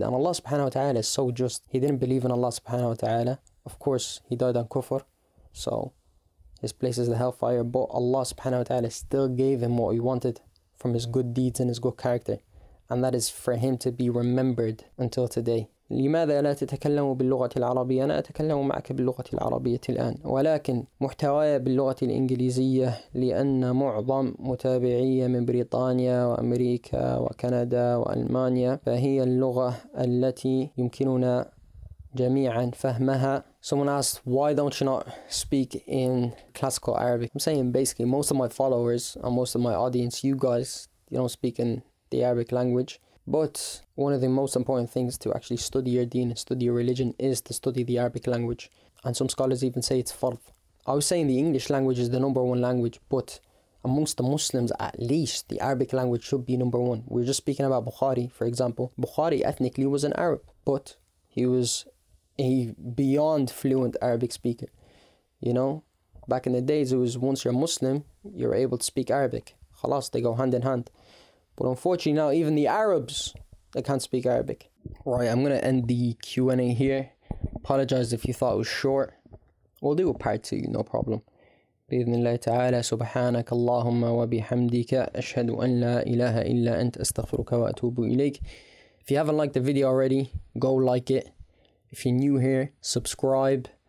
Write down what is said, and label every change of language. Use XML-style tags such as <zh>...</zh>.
<en>And Allah subhanahu wa ta'ala is so just. He didn't believe in Allah subhanahu wa ta'ala. Of course, he died on kufr, so his place is the hellfire, but Allah subhanahu wa ta'ala still gave him what he wanted from his good deeds and his good character, and that is for him to be remembered until today.</en> <ar>لماذا لا تتكلم باللغة العربية؟ أنا أتكلم معك باللغة العربية الآن، ولكن محتواي باللغة الإنجليزية لأن معظم متابعي من بريطانيا وأمريكا وكندا وألمانيا فهي اللغة التي يمكننا جميعا فهمها.</ar> <en>Someone asked, why don't you not speak in classical Arabic? I'm saying basically most of my followers and most of my audience, you guys, you don't speak in the Arabic language. But one of the most important things to actually study your deen, study your religion, is to study the Arabic language. And some scholars even say it's fard. I was saying the English language is the number one language, but amongst the Muslims, at least, the Arabic language should be number one. We're just speaking about Bukhari, for example. Bukhari ethnically was an Arab, but he was a beyond fluent Arabic speaker. You know, back in the days, it was once you're Muslim, you're able to speak Arabic. Khalas, they go hand in hand. But unfortunately now even the Arabs, they can't speak Arabic. Right, I'm going to end the Q&A here. Apologize if you thought it was short. We'll do a part 2, no problem.</en> <ar>بإذن الله تعالى سبحانك اللهم وبحمدك أشهد أن لا إله إلا أنت أستغفرك وأتوب إليك.</ar> <en>If you haven't liked the video already, go like it. If you're new here, subscribe.</en>